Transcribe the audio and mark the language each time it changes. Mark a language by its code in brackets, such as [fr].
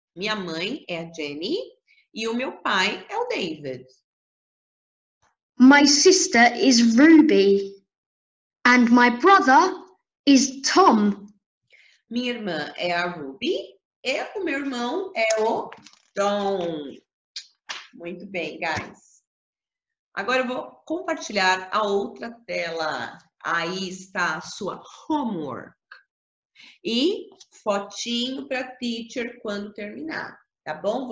[pt] Minha mãe é a Jenny e o meu pai é o David. [en] My sister is Ruby and my brother is Tom. [pt] Minha irmã é a Ruby e o meu irmão é o Tom. Muito bem, guys. Agora eu vou compartilhar a outra tela. Aí está a sua homework. E fotinho para teacher quando terminar, tá bom?